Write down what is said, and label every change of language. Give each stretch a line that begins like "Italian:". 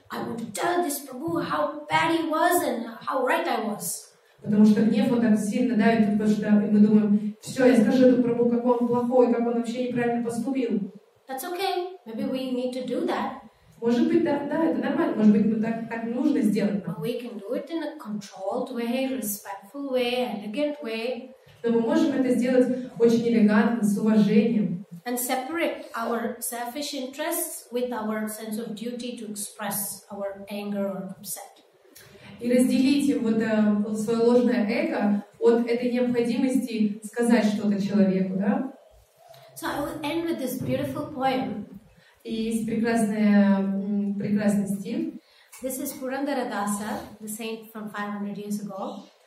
English: I want to tell this Prabhu how bad he was and how right I was.
Russian: Потому что гнев он так сильно давит, потому что и мы думаем, все, я скажу этому Прабху, как он плохой, как он вообще неправильно поступил.
English: That's okay. Maybe we need to do that.
Russian: Может быть, да, это нормально. Может быть, так нужно сделать.
English: But we can do it in a controlled way, respectful way, elegant way.
Russian: Но мы можем это сделать очень элегантно, с уважением.
English: And separate our selfish interests with our sense of duty to express our anger or upset.
Russian: И разделите вот свое ложное эго от этой необходимости сказать что-то человеку, да?
English: So I will end with this beautiful poem.
Russian: И есть прекрасный стих.
English: This is Purandara Dasa, the saint from 500 years ago.